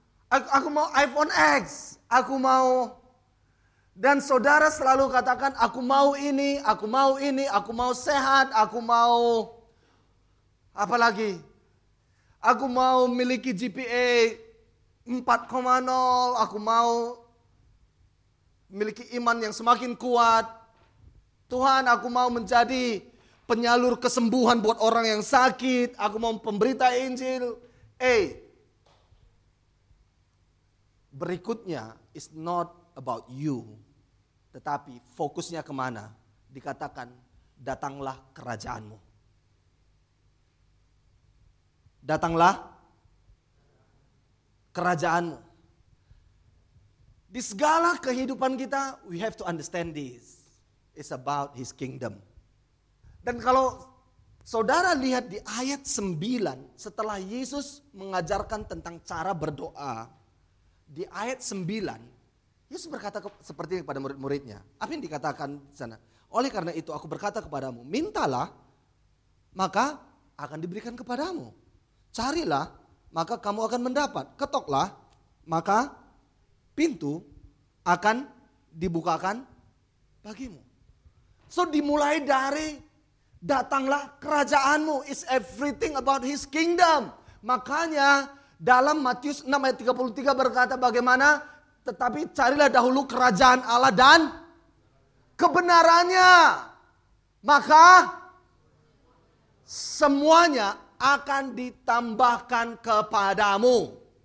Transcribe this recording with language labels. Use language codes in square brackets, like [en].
[id] Aku mau iPhone X, aku mau. Dan saudara selalu katakan, aku mau ini, aku mau ini, aku mau sehat, aku mau, apalagi, aku mau miliki GPA 4,0, aku mau miliki iman yang semakin kuat. Tuhan, aku mau menjadi penyalur kesembuhan buat orang yang sakit. Aku mau pemberita Injil. Berikutnya [en] is not about you. [id] Tetapi fokusnya kemana? Dikatakan, datanglah kerajaanmu. Datanglah kerajaanmu. Di segala kehidupan kita, [en] we have to understand this. It's about his kingdom. [id] Dan kalau saudara lihat di ayat 9, setelah Yesus mengajarkan tentang cara berdoa, di ayat 9, Yesus berkata seperti ini kepada murid-muridnya. Apa yang dikatakan di sana? Oleh karena itu aku berkata kepadamu, mintalah maka akan diberikan kepadamu. Carilah maka kamu akan mendapat. Ketoklah maka pintu akan dibukakan bagimu. So dimulai dari datanglah kerajaanmu. [en] It's everything about his kingdom. [id] Makanya dalam Matius 6 ayat 33 berkata bagaimana? Tetapi carilah dahulu kerajaan Allah dan kebenarannya. Maka semuanya akan ditambahkan kepadamu.